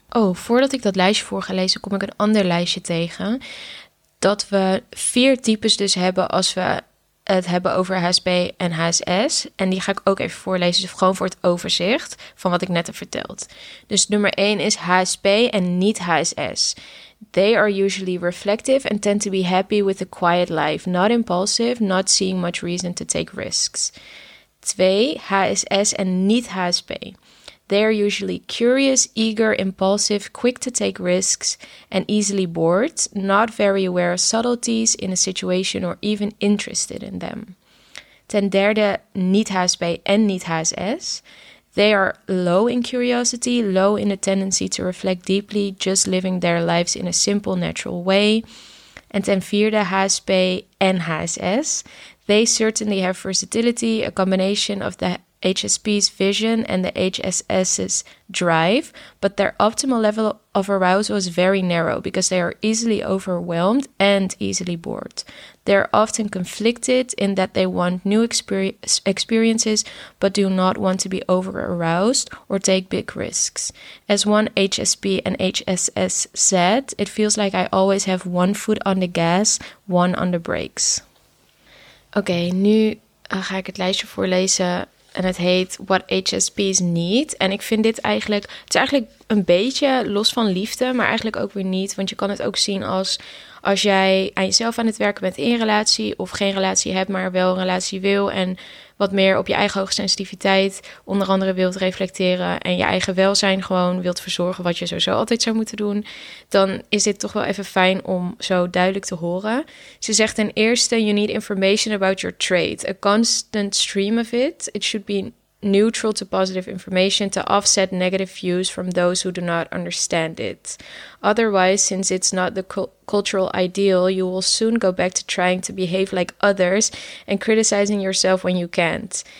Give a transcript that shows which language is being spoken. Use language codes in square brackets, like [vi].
[nl] Oh, voordat ik dat lijstje voor ga lezen, kom ik een ander lijstje tegen. Dat we 4 types dus hebben als we het hebben over HSP en HSS. En die ga ik ook even voorlezen. Dus gewoon voor het overzicht van wat ik net heb verteld. Dus nummer 1 is HSP en niet HSS. [en] They are usually reflective and tend to be happy with a quiet life. Not impulsive, not seeing much reason to take risks. 2, [nl] HSS en niet HSP. [en] They are usually curious, eager, impulsive, quick to take risks and easily bored, not very aware of subtleties in a situation or even interested in them. [nl] Ten derde, niet HSP en niet HSS. [en] They are low in curiosity, low in a tendency to reflect deeply, just living their lives in a simple, natural way. [nl] En ten vierde, HSP en HSS. [en] They certainly have versatility, a combination of the HSP's vision and the HSS's drive, but their optimal level of arousal is very narrow because they are easily overwhelmed and easily bored. They are often conflicted in that they want new experiences but do not want to be over aroused or take big risks. As one HSP and HSS said, it feels like I always have one foot on the gas, one on the brakes. [nl] Okay, nu ga ik het lijstje voorlezen. En het heet What HSP's Need. En ik vind dit eigenlijk, het is eigenlijk een beetje los van liefde, maar eigenlijk ook weer niet. Want je kan het ook zien als jij aan jezelf aan het werken bent in een relatie of geen relatie hebt, maar wel een relatie wil. En wat meer op je eigen hoogsensitiviteit onder andere wilt reflecteren en je eigen welzijn gewoon wilt verzorgen, wat je sowieso altijd zou moeten doen, dan is dit toch wel even fijn om zo duidelijk te horen. Ze zegt ten eerste, [en] you need information about your trait. A constant stream of it. It should be neutral to positive information to offset negative views from those who do not understand it. Otherwise, since it's not the cultural ideal, you will soon go back to trying to behave like others and criticizing yourself when you can't.